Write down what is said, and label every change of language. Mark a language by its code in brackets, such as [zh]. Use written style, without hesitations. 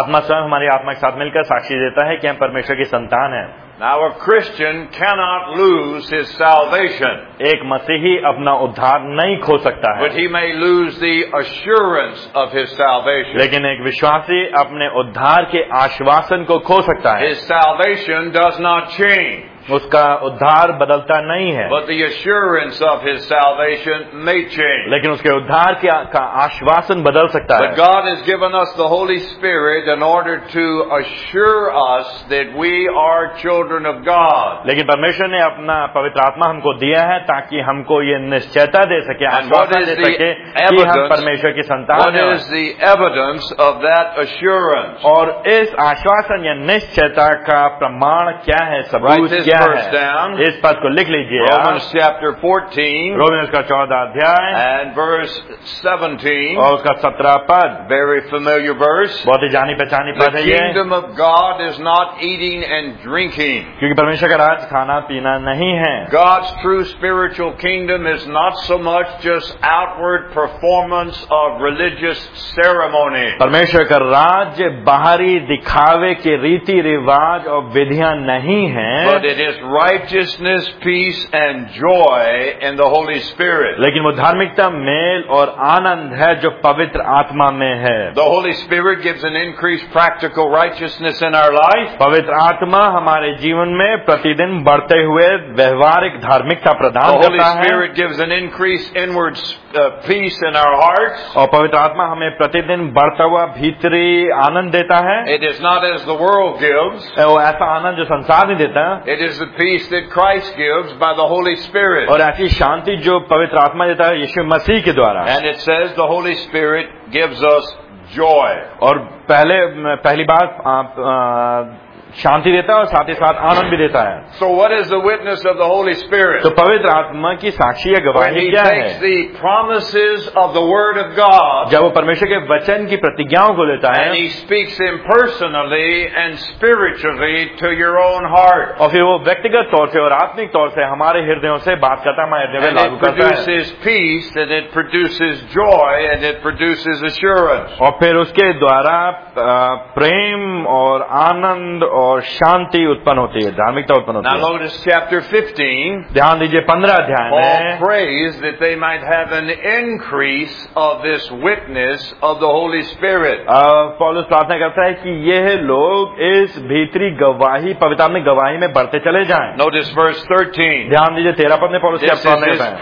[hi] आत्मा स्वयं हमारी आत्मा के साथ मिलकर साक्षी देता है कि हम परमेश्वर की संतान हैं। [en] Now a Christian cannot lose his salvation. [hi] एक मसीही अपना उद्धार नहीं खो सकता है. [en] But he may lose the assurance of his salvation. [hi] लेकिन एक विश्वासी अपने उद्धार के आश्वासन को खो सकता है. [en] His salvation does not change. [hi] उसका उद्धार बदलता नहीं है. [en] But the assurance of his salvation may change. [hi] लेकिन उसके उद्धार का आश्वासन बदल सकता है. [en] But God has given us the Holy Spirit in order to assure us that we are children of God. [hi] लेकिन परमेश्वर ने अपना पवित्र आत्मा हमको दिया है ताकि हमको ये निश्चयता दे सके, आश्वासन दे सके कि हम परमेश्वर की संतान हैं. [en] What is the evidence of that assurance? [hi] और इस आश्वासन या निश्चयता का प्रमाण क्या है, सबूत? इस पद को लिख लीजिए. [en] Romans chapter 14, [hi] रोमियों का 14 अध्याय, [en] and verse 17, [hi] और उसका 17 पद. [en] Very familiar verse, [hi] बहुत ही जानी पहचानी पद है ये. [en] The kingdom of God is not eating and drinking, [hi] क्योंकि परमेश्वर का राज खाना पीना नहीं है. [en] God's true spiritual kingdom is not so much just outward performance of religious ceremony. [hi] परमेश्वर का राज बाहरी दिखावे के रीति रिवाज और विधियां नहीं है. [en] But it is righteousness, peace, and joy in the Holy Spirit. [hi] लेकिन वो धार्मिकता, मेल और आनंद है जो पवित्र आत्मा में है. [en] The Holy Spirit gives an increased practical righteousness in our life. [hi] पवित्र आत्मा हमारे जीवन में प्रतिदिन बढ़ते हुए व्यवहारिक धार्मिकता प्रदान करता है. [en] The Holy Spirit gives an increased inward peace in our hearts. [hi] और पवित्र आत्मा हमें प्रतिदिन बढ़ता हुआ भीतरी आनंद देता है. [en] It is not as the world gives. [hi] वो ऐसा आनंद जो संसार नहीं देता. [en] It is the peace that Christ gives by the Holy Spirit. [hi] और ऐसी शांति जो पवित्र आत्मा देता है यीशु मसीह के द्वारा. [en] And it says the Holy Spirit gives us joy. [hi] और पहली बार शांति देता है और साथ ही साथ आनंद भी देता है. [en] So what is the witness of the Holy Spirit? [hi] तो पवित्र आत्मा की साक्षी या गवाही क्या है? [en] He takes the promises of the Word of God. [hi] जब वो परमेश्वर के वचन की प्रतिज्ञाओं को लेता है. [en] And he speaks impersonally and spiritually to your own heart. [hi] और फिर वो व्यक्तिगत तौर से और आत्मिक तौर से हमारे हृदयों से बात करता है, हमारे हृदय में लागू करता है. [en] And it produces peace, and it produces joy, and it produces assurance. [hi] और फिर उसके द्वारा प्रेम और आनंद और शांति उत्पन्न होती है, धार्मिकता उत्पन्न होती है. [en] Now notice chapter 15. [hi] ध्यान दीजिए 15 अध्याय में. [en] Paul prays that they might have an increase of this witness of the Holy Spirit. [hi] पौलुस प्रार्थना करता है कि ये लोग इस भीतरी गवाही, पवित्र आत्मा की गवाही में बढ़ते चले जाएं. [en] Notice verse 13. [hi] ध्यान दीजिए 13 पद में पौलुस क्या प्रार्थना करता है.